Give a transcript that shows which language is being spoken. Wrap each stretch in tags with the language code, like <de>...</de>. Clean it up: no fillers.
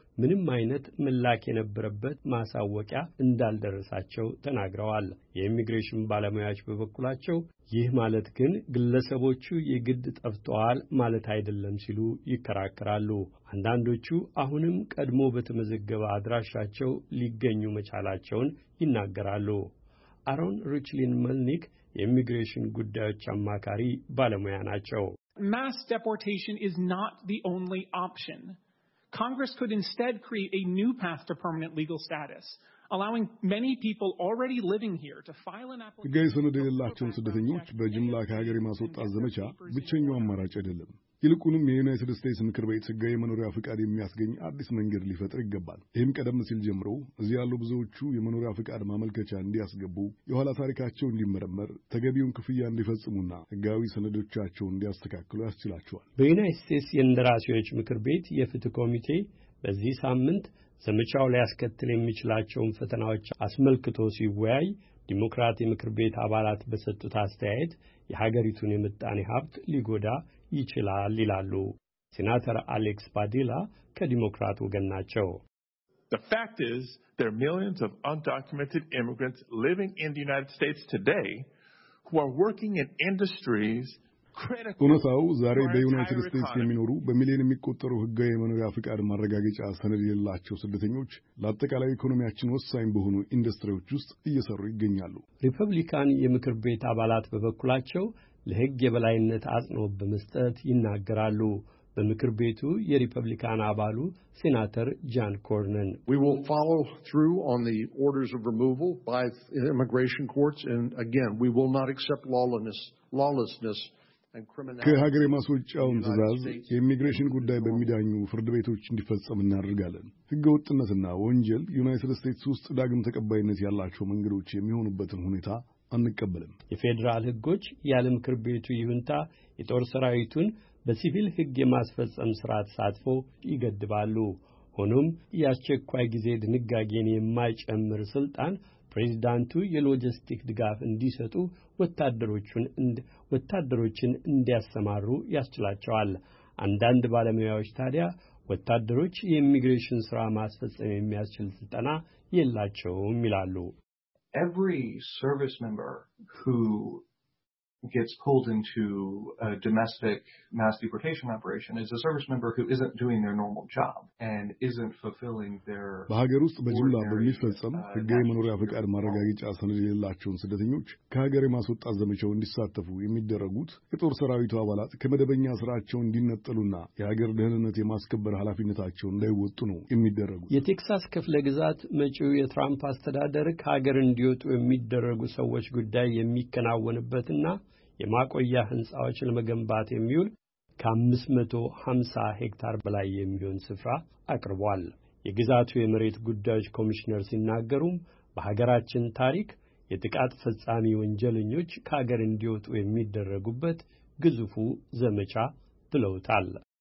<am>ምንም አይነት ምላሽ የነበረበት ማሳወቂያ እንዳልደረሳቸው ተናግረዋል። የኢሚግሬሽን ባለሙያዎች በበኩላቸው ይህ ማለት ግን ግለሰቦቹ የግድ ጠፍተዋል ማለት አይደለም ሲሉ ይከራከራሉ። አንዳንዶቹ አሁንም ቀድሞ በተመዘገበ አድራሻቸው ሊገኙ መቻላቸውን ይናገራሉ። አሮን ሩችሊን መልኒክ የኢሚግሬሽን ጉዳዮች አማካሪ ባለሙያ ናቸው።</am> <en>Mass deportation is not the only option. Congress could instead create a new path to permanent legal status, allowing many people already living here to file an application.</en> <am>ገይሰነ ደላችን ስደተኞች በጅምላ ከሀገር ማስወጣ ዘመቻ ብቻኛው አማራጭ አይደለም። ይልቁንም የዩናይትድ ስቴትስ ምክር ቤት ጸጋዬ መኖሪያ ፍቃድ የሚያስገኝ አዲስ መንገድ ሊፈጥር ይገባል። ይህም ቀደም ሲል ጀምሮ እዚህ ያሉ ብዙዎቹ የመኖሪያ ፍቃድ ማመልከቻ እንዲያስገቡ፣ የኋላ ታሪካቸው እንዲመረመር፣ ተገቢውን ክፍያ እንዲፈጽሙና ሕጋዊ ሰነዶቻቸው እንዲያስተካክሉ ያስችላቸዋል። በዩናይትድ ስቴትስ የእንደራሴዎች ምክር ቤት የፍትህ ኮሚቴ በዚህ ሳምንት ዘመቻው ሊያስከትል የሚችላቸውን ፈተናዎች አስመልክቶ ሲወያይ ዲሞክራት የምክር ቤት አባላት በሰጡት አስተያየት የሀገሪቱን የምጣኔ ሀብት ሊጎዳ ይችላል ይላሉ። ሴናተር አሌክስ ባዲላ ከዲሞክራት ወገን ናቸው።</am> <en>The fact is there are millions of undocumented immigrants living in the United States today who are working in industries</en> <am>ኡነሳው ዛሬ በዩናይትድ ስቴትስ የሚኖሩ በሚሊዮን የሚቆጠሩ ህጋዊ መኖሪያ ፍቃድ ማረጋገጫ ሰነድ የሌላቸው ስደተኞች ለአጠቃላይ ኢኮኖሚያችን ወሳኝ በሆኑ ኢንዱስትሪዎች ውስጥ እየሰሩ ይገኛሉ። ሪፐብሊካን የምክር ቤት አባላት በበኩላቸው ለህግ የበላይነት አጽንኦት በመስጠት ይናገራሉ። በምክር ቤቱ የሪፐብሊካን አባሉ ሴናተር ጃን ኮርነን</am> <en>We will follow through on the orders of removal by immigration courts and again we will not accept lawlessness</en> <am>ከሀገር ማስወጫውን ትዛዝ የኢሚግሬሽን ጉዳይ በሚዳኙ ፍርድ ቤቶች እንዲፈጸም እናደርጋለን። ህገ ወጥነትና ወንጀል ዩናይትድ ስቴትስ ውስጥ ዳግም ተቀባይነት ያላቸው መንገዶች የሚሆኑበትን ሁኔታ አንቀበልም። የፌደራል ህጎች የዓለም ምክር ቤቱ ይሁንታ የጦር ሰራዊቱን በሲቪል ህግ የማስፈጸም ስርዓት ሳትፎ ይገድባሉ። ሆኖም ያስቸኳይ ጊዜ ድንጋጌን የማይጨምር ስልጣን ፕሬዚዳንቱ የሎጂስቲክ ድጋፍ እንዲሰጡ ወታደሮችን እንዲያሰማሩ ያስችላቸዋል። አንዳንድ ባለሙያዎች ታዲያ ወታደሮች የኢሚግሬሽን ስራ ማስፈጸም የሚያስችል ስልጠና የላቸውም ይላሉ።</am> <en>Every service member who gets pulled into a domestic mass deportation operation is a service member who isn't doing their normal job and isn't fulfilling their</en> <am>በሀገር ውስጥ በጅምላ በሚፈጸም ህጋዊ መኖሪያ ፍቃድ ማረጋገጫ ሰነድ የሌላቸውን ስደተኞች ከሀገር ማስወጣት ዘመቻው እንዲሳተፉ የሚደረጉት የጦር ሰራዊቱ አባላት ከመደበኛ ስራቸው እንዲነጠሉና የሀገር ደህንነት የማስከበር ኃላፊነታቸው እንዳይወጡ ነው የሚደረጉት። የቴክሳስ ክፍለ ግዛት መጪው የትራምፕ አስተዳደር ከሀገር እንዲወጡ የሚደረጉ ሰዎች ጉዳይ የሚከናወንበትና የማቆያ ህንጻዎች ለመገንባት የሚውል ከ550 ሄክታር በላይ የሚሆን ስፍራ አቅርቧል። የግዛቱ የመሬት ጉዳዮች ኮሚሽነር ሲናገሩም በሀገራችን ታሪክ የጥቃት ፍጻሜ ወንጀለኞች ከሀገር እንዲወጡ የሚደረጉበት ግዙፉ ዘመቻ ብለውታል።</am>